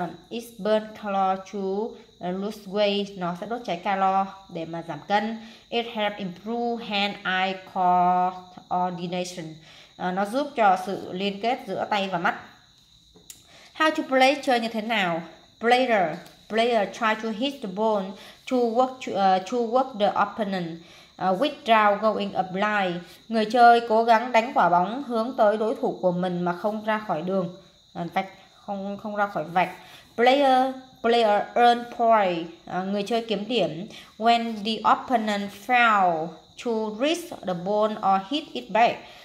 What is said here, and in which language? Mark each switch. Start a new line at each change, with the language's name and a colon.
English: It's burn calorie to lose weight.
Vietnamese: Nó sẽ đốt cháy calo để mà giảm cân.
English: It help improve hand eye coordination.
Vietnamese: Nó giúp cho sự liên kết giữa tay và mắt.
English: How to play,
Vietnamese: chơi như thế nào?
English: Player try to hit the ball to work the opponent without going up line.
Vietnamese: Người chơi cố gắng đánh quả bóng hướng tới đối thủ của mình mà không ra khỏi đường, không ra khỏi vạch.
English: Player earn point.
Vietnamese: Người chơi kiếm điểm
English: when the opponent fail to reach the ball or hit it back.